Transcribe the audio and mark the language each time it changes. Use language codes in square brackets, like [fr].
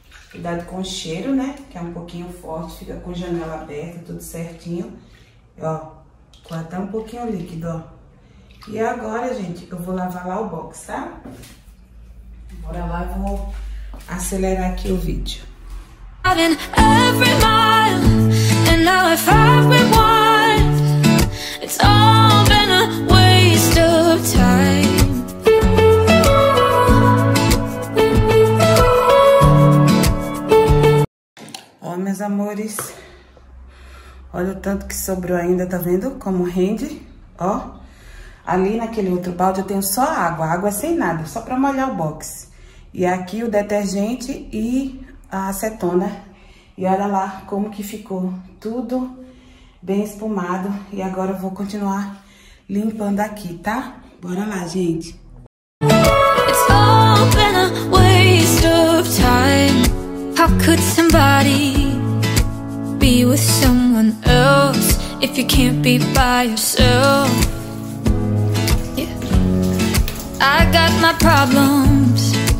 [pt] Cuidado com o cheiro, né? Que é um pouquinho forte, fica com janela aberta, tudo certinho. E, ó, ficou até um pouquinho líquido, ó. E agora, gente, eu vou lavar lá o box, tá? Bora lá, eu vou acelerar aqui o vídeo. [en] Every mile, and now if I've been wild, it's all been a waste of time. [pt] Ó, meus amores, olha o tanto que sobrou ainda, tá vendo como rende? Ó, ali naquele outro balde eu tenho só água, água sem nada, só pra molhar o box. E aqui o detergente e a acetona. E olha lá como que ficou tudo bem espumado. E agora eu vou continuar limpando aqui, tá? Bora lá, gente. [en] It's all been a waste of time. How could somebody be with someone else if you can't be by yourself? Yeah. I got my problems.